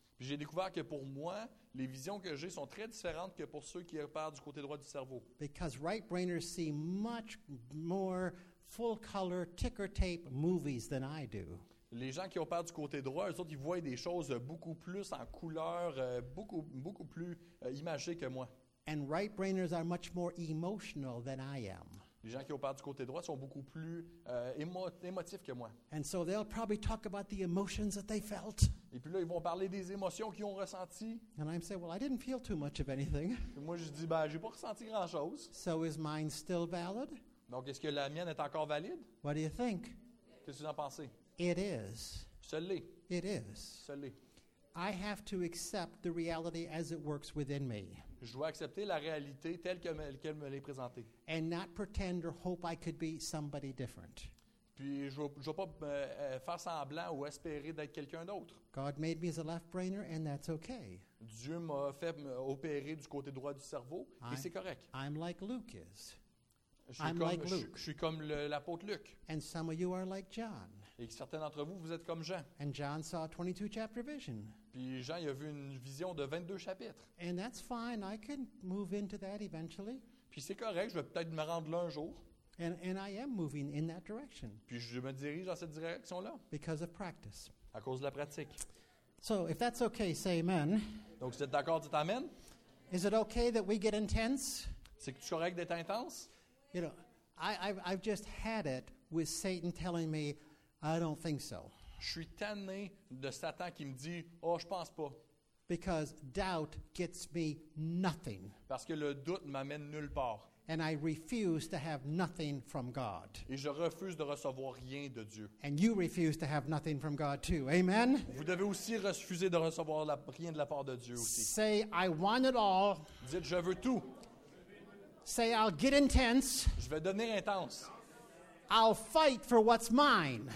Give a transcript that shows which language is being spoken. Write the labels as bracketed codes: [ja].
[fr] Puis j'ai découvert que pour moi, les visions que j'ai sont très différentes que pour ceux qui repèrent du côté droit du cerveau. [en] Because right-brainers see much more full-color ticker tape movies than I do. [fr] Les gens qui repèrent du côté droit, eux autres, ils voient des choses beaucoup plus en couleur, beaucoup, beaucoup plus imagées que moi. [en] And right-brainers are much more emotional than I am. [fr] Les gens qui opèrent du côté droit sont beaucoup plus émotifs que moi. [en] And so they'll probably talk about the emotions that they felt. [fr] Et puis là, ils vont parler des émotions qu'ils ont ressenties. [en] And I'm saying, well, I didn't feel too much of anything. [fr] Et moi, je dis, ben, j'ai pas ressenti grand-chose. [en] So is mine still valid? [fr] Donc, est-ce que la mienne est encore valide? [en] What do you think? [fr] Qu'est-ce que vous en pensez? [en] It is. [fr] Ce l'est. [en] It is. [fr] Ce l'est. [en] I have to accept the reality as it works within me. [fr] Je dois accepter la réalité telle qu'elle me l'est présentée. [en] And not pretend or hope I could be somebody different. [fr] Puis je vais pas faire semblant ou espérer d'être quelqu'un d'autre. [en] God made me as a left-brainer and that's okay. [fr] Dieu m'a fait opérer du côté droit du cerveau et c'est correct. [en] I'm like Luke is. [fr] Je suis comme l'apôtre Luc. [en] And some of you are like John. [fr] Et certains d'entre vous, vous êtes comme Jean. [en] And John saw a 22-chapter vision. [fr] Puis Jean, il a vu une vision de 22 chapitres. [en] And that's fine. I can move into that eventually. [fr] Puis c'est correct. Je vais peut-être me rendre là un jour. [en] And I am moving in that direction. [fr] Puis je me dirige dans cette direction-là. [en] Because of practice. [fr] À cause de la pratique. [en] So if that's okay, say amen. [fr] Donc si vous êtes d'accord, dites amen. [en] Is it okay that we get intense? [fr] C'est correct d'être intense? [en] You know, I've just had it with Satan telling me, I don't think so. [fr] Je suis tanné de Satan qui me dit, « Oh, je pense pas. » [en] Because doubt gets me nothing. [fr] Parce que le doute m'amène nulle part. [en] And I refuse to have nothing from God. [fr] Et je refuse de recevoir rien de Dieu. [en] And you refuse to have nothing from God too. Amen. [fr] Vous devez aussi refuser de recevoir rien de la part de Dieu aussi. [en] Say I want it all. [fr] Dites je veux tout. [en] Say I'll get intense. [fr] Je vais devenir intense. [en] I'll fight for what's mine.